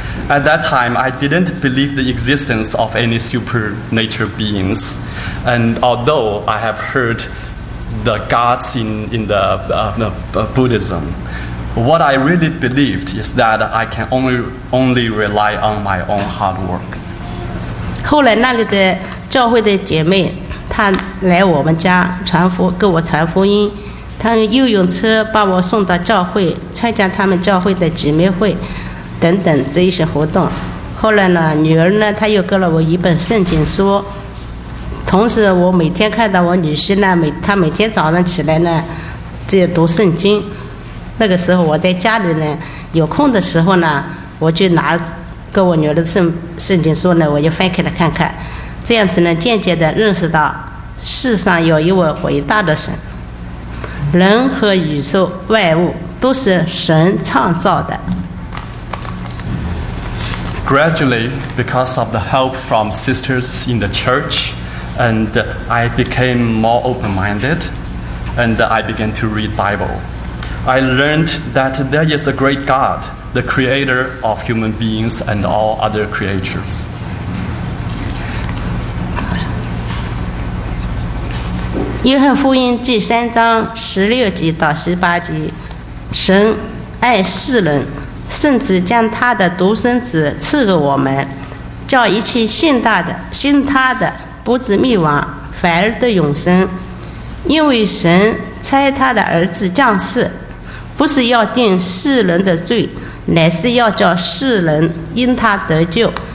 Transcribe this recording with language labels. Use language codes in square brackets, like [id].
[en] At that time, I didn't believe the existence of any supernatural beings. And although I have heard the gods in Buddhism. What I really believed is that I can only rely on my own hard work. [zh] 后来那里的教会的姐妹，她来我们家传福，给我传福音。她又用车把我送到教会，参加他们教会的姊妹会等等这一些活动。后来呢，女儿呢，她又给了我一本圣经书。同时我每天看到我女婿呢，他每天早上起来呢就读圣经。那个时候我在家里呢有空的时候呢，我就拿给我女儿的圣经书呢，我就翻开了看看。这样子呢，渐渐地认识到世上有一位伟大的神，人和宇宙万物都是神创造的。 [en] Gradually, because of the help from sisters in the churchAnd I became more open-minded, and I began to read Bible. I learned that there is a great God, the creator of human beings and all other creatures. [zh] 约翰福音第三章十六节到十八节，神爱世人，甚至将他的独生子赐给我们，叫一切信他的。不至灭亡，反而得永生。因为神差他的儿子降世，不是要定世人的罪，乃是要叫世人因他得救。